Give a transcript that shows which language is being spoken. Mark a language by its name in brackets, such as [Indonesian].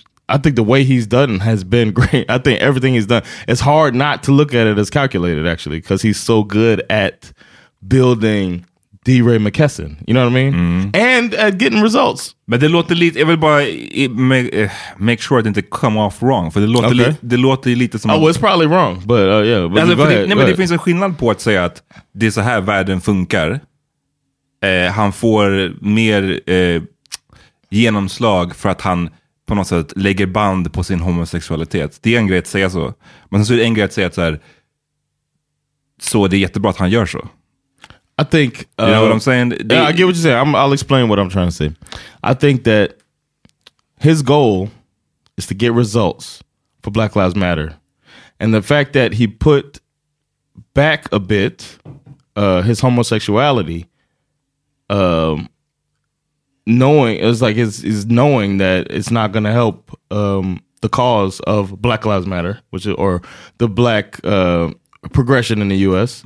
[English] I think the way he's done has been great. I think everything he's done, it's hard not to look at it as calculated, actually, because he's so good at building D-Ray McKesson. You know what I mean? And at getting results. But [Swedish] det låter lite, jag vill bara [English] make sure it didn't come off wrong. [Swedish] För det låter lite som... [English] Oh, it's probably wrong, but yeah. But [Swedish] alltså, [English] go ahead. [Swedish] Det finns en skillnad på att säga att det är så här världen funkar. Han får mer genomslag för att han... på något sätt lägger band på sin homosexualitet. Det är en grej att säga så. Men så är det en grej att säga att så här, så det är jättebra att han gör så. [English] I think you know what I'm saying? I get what you're saying. I'll explain what I'm trying to say. I think that his goal is to get results for Black Lives Matter. And the fact that he put back a bit his homosexuality, knowing it was like is knowing that it's not going to help the cause of Black Lives Matter, which is, or the black progression in the U.S.